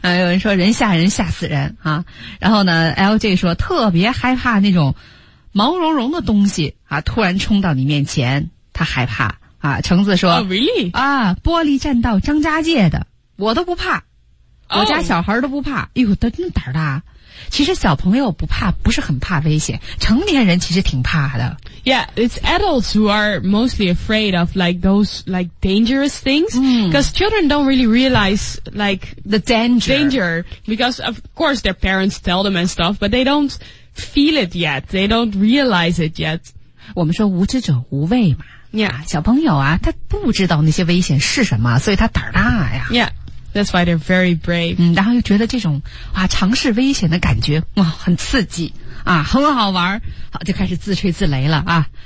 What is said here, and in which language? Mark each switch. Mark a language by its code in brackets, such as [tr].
[zh] 有人说人吓人吓死人啊，然后呢 ，LJ 说特别害怕那种毛茸茸的东西啊，突然冲到你面前，他害怕啊。橙子说、 [en] oh, ，Really [zh] 啊，玻璃栈道张家界的，我都不怕，我家小孩都不怕， oh. 哎呦，都真的胆儿大。其实小朋友不怕，不是很怕危险，成年人其实挺怕的。 [en] Yeah, it's adults who are mostly afraid of like those like dangerous things, because、children don't really realize like the danger. Danger, because of course their parents tell them and stuff, but they don't feel it yet. They don't realize it yet. [zh] 我们说无知者无畏嘛。 [en] Yeah, [zh] 小朋友啊，他不知道那些危险是什么，所以他胆儿大呀。 [en] Yeah. That's why they're very brave. [zh] 嗯，然后又觉得这种啊尝试危险的感觉哇很刺激啊，很好玩，好就开始自吹自擂了啊。